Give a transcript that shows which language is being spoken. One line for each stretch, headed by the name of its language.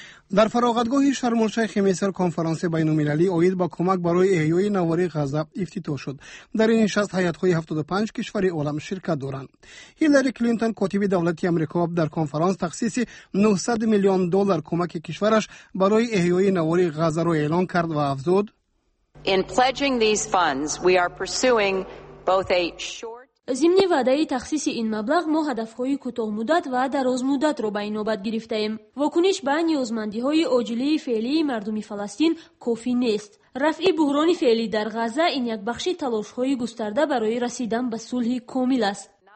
Persian: در فراغتگاه شرم الشیخ مصر کنفرانس بین المللی اوید با کمک برای احیای نوار غزه افتتاح شد. در این نشست هیئت‌های 75 کشور عالم شرکت دارند. هیلاری کلینتون کاتب دولتی آمریکا در کنفرانس تخصیص 900 میلیون دلار کمک کشورش برای احیای نوار غزه را اعلام کرد و افزود:
English: In pledging these funds we are pursuing both a short
Persian: ضمن وعده تخصیص این مبلغ ما هدفهای کوتاه مدت و دراز مدت را به این نوبت گرفتیم. واکنش به نیازمندی های عاجله فعلی مردم فلسطین کافی نیست. رفع بحران فعلی در غزه این یک بخش تلاش های گسترده برای رسیدن به صلح کامل است.